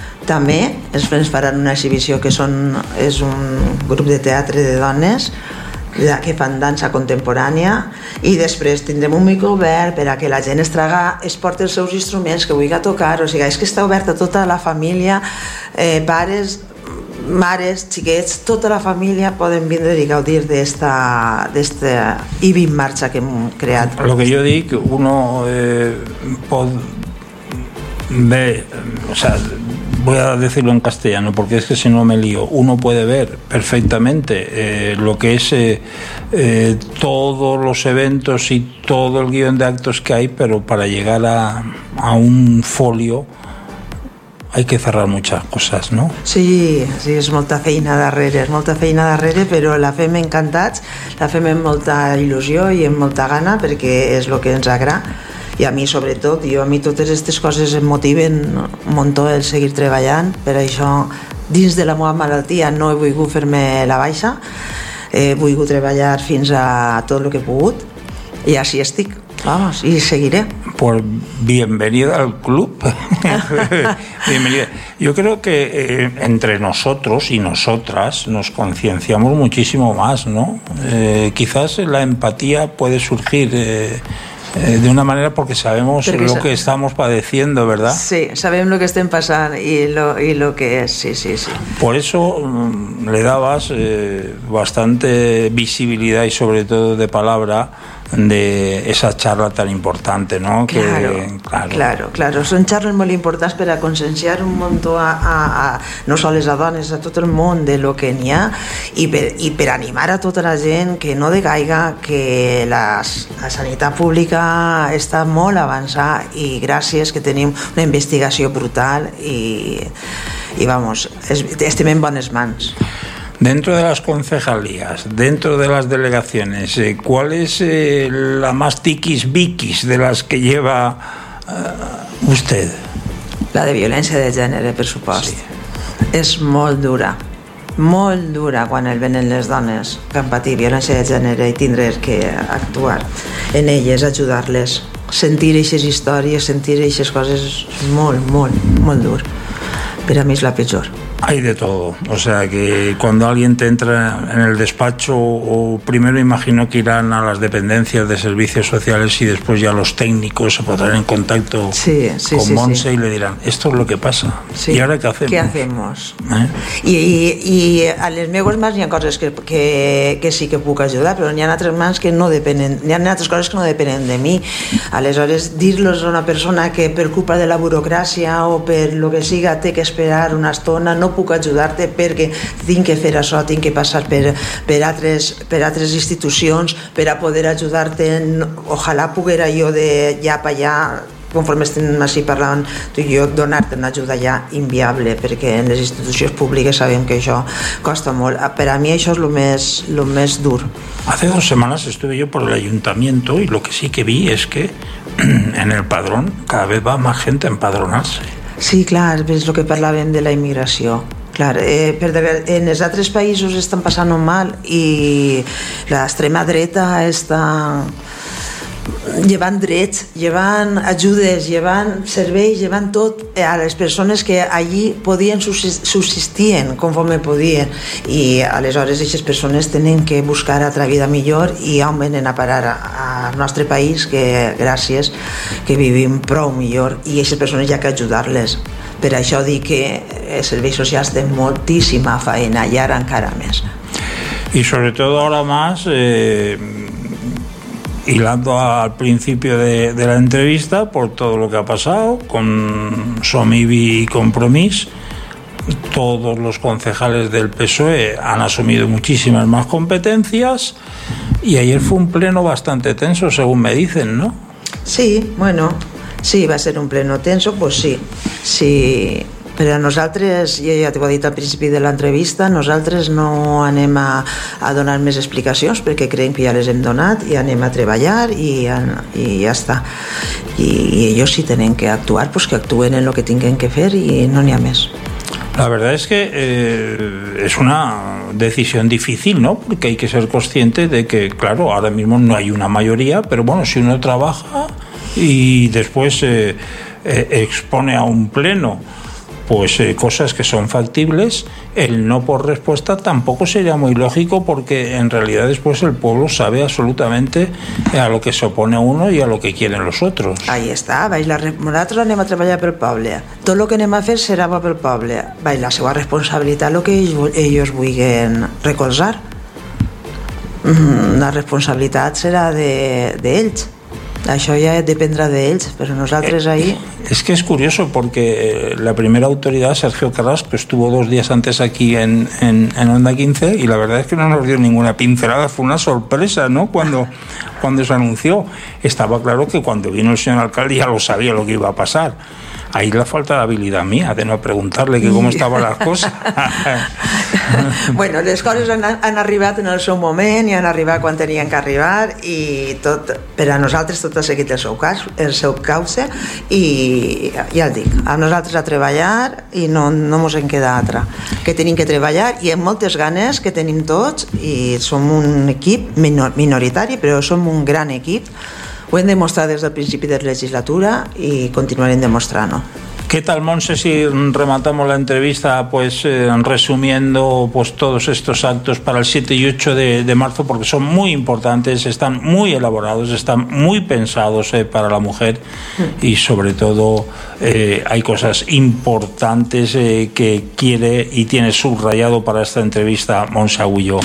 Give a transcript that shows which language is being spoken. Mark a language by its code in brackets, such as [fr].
[ca] També ens faran una exhibició que és un grup de teatre de dones que fan dansa contemporània, i després tindrem un micro obert per a que la gent es porti els seus instruments que vulgui tocar. O sigui, és que està oberta tota la família, pares, mares, xiquets, tota la família poden vindre i gaudir d'esta IBI en marxa que hem creat. El que jo dic, [es] uno pot bé, o sea, voy a decirlo en castellano porque es que si no me lío, uno puede ver perfectamente lo que es todos los eventos y todo el guión de actos que hay, pero para llegar a un folio hay que cerrar muchas cosas, ¿no? [ca] Sí, sí, és molta feina darrere, però la fem encantats, la fem amb molta il·lusió i amb molta gana, perquè és el que ens agrada, i a mi sobretot, jo, a mi totes aquestes coses em motiven un montó el seguir treballant, per això dins de la meva malaltia no he volgut fer-me la baixa, he volgut treballar fins a tot el que he pogut, i així estic. [es] Vamos, y seguiré. Pues bienvenida al club. Bienvenida. Yo creo que entre nosotros y nosotras nos concienciamos muchísimo más, ¿no? Quizás la empatía puede surgir de una manera porque sabemos lo que estamos padeciendo, ¿verdad? Sí, sabemos lo que estén pasando y lo que es, sí. Por eso le dabas bastante visibilidad y sobre todo de palabra de esa charla tan importante, ¿no? Claro. [ca] Son charles molt importants per a conscienciar un montó a no soles a dones, a tot el món de lo que n'hi ha, i per animar a tota la gent [es] que no decaiga, [ca] que la sanitat pública està molt avançada i gràcies que tenim una investigació brutal i vamos, estem en bones mans. [es] Dentro de las concejalías, dentro de las delegaciones, ¿cuál es la más tiquis biquis de las que lleva usted? [ca] La de violència de gènere, per supost. Sí. És molt dura, molt dura quan el venen les dones que han patit violència de gènere i tindre que actuar en elles, ajudar-les, sentir aquestes històries, sentir aquestes coses, molt, molt, molt dur. Per a mi és la pitjor. [es] Hay de todo, o sea que cuando alguien te entra en el despacho, o primero imagino que irán a las dependencias de servicios sociales y después ya los técnicos se pondrán en contacto con Montse. Y le dirán, esto es lo que pasa, sí. ¿Y ahora qué hacemos? ¿Qué hacemos? [ca] Y a les meus mans hi ha coses que sí que puc ajudar, però n'hi ha altres mans que no depenen, n'hi ha altres coses que no depenen de mi. Aleshores, dir-los a una persona que per culpa de la burocràcia o per lo que siga té que esperar una estona, no puc ajudar-te perquè tinc que fer això, tinc que passar per altres institucions per a poder ajudar-te, ojalà poguera jo de ja pa allà, conforme estem així parlant tu i jo, donar-te una ajuda ja inviable, perquè en les institucions públiques sabem que això costa molt. Per a mi això és lo més dur. [es] Hace dos semanas estuve yo por el ayuntamiento y lo que sí que vi es que en el padrón cada vez va más gente a empadronarse. [ca] Sí, clar, és el que parlàvem de la immigració. Clar, en els altres països estan passant mal i l'extrema dreta està llevant drets, llevant ajudes, llevant serveis, llevant tot a les persones que allí podien subsistir conforme podien, i aleshores aquestes persones tenen que buscar altra vida millor i on venen a parar al nostre país, que gràcies que vivim prou millor, i aquestes persones hi ha que ajudar-les. Per això dic que els serveis socials tenen moltíssima feina i ara encara més. [es] Y sobre todo ahora más, hilando al principio de la entrevista, por todo lo que ha pasado con Somibi y Compromís, todos los concejales del PSOE han asumido muchísimas más competencias y ayer fue un pleno bastante tenso, según me dicen, ¿no? Sí, bueno, sí, va a ser un pleno tenso, pues sí, sí. [ca] Pero nosaltres, jo ja t'ho he dit al principi de l'entrevista, nosaltres no anem a donar més explicacions perquè creiem que ja les hem donat i anem a treballar i ja està. I ells si tenen que actuar, pues que actuen en el que tinguen que fer i no n'hi ha més. [es] La verdad es que es una decisión difícil, ¿no? Porque hay que ser consciente de que, claro, ahora mismo no hay una mayoría, pero bueno, si uno trabaja y después expone a un pleno pues cosas que son factibles, el no por respuesta tampoco sería muy lógico, porque en realidad después el pueblo sabe absolutamente a lo que se opone uno y a lo que quieren los otros. Ahí está, vais la nosotros [ca] anem a treballar pel poble. [es] Todo lo que [ca] anem a fer serà pel poble. Vais la seva responsabilitat, lo que [es] ellos [ca] vulguen recolzar. La responsabilitat serà de ells. Això ja dependrà d'ells, però nosaltres ahí... És que és curiós, perquè la primera autoritat, [es] Sergio Carrasco, estuvo dos dies antes aquí en Onda 15 i la verdad es que no nos dio ninguna pincelada, fue una sorpresa, ¿no?, cuando se anunció. Estaba claro que cuando vino el señor alcalde ya lo sabía lo que iba a pasar. Ahí la falta de habilidad mía de no preguntarle que cómo estaban las cosas. [ca] Bueno, les coses han arribat en el seu moment i han arribat quan tenien que arribar i tot, per a nosaltres tot ha seguit el seu cauce i ja el dic, a nosaltres a treballar i no mos en queda altra, que tenim que treballar i amb moltes ganes que tenim tots i som un equip minoritari però som un gran equip, ho hem demostrat des del principi de legislatura i continuarem demostrant-ho. [es] ¿Qué tal, Montse, si rematamos la entrevista pues resumiendo pues todos estos actos para el 7 y 8 de marzo? Porque son muy importantes, están muy elaborados, están muy pensados para la mujer y sobre todo hay cosas importantes que quiere y tiene subrayado para esta entrevista Montse Agulló.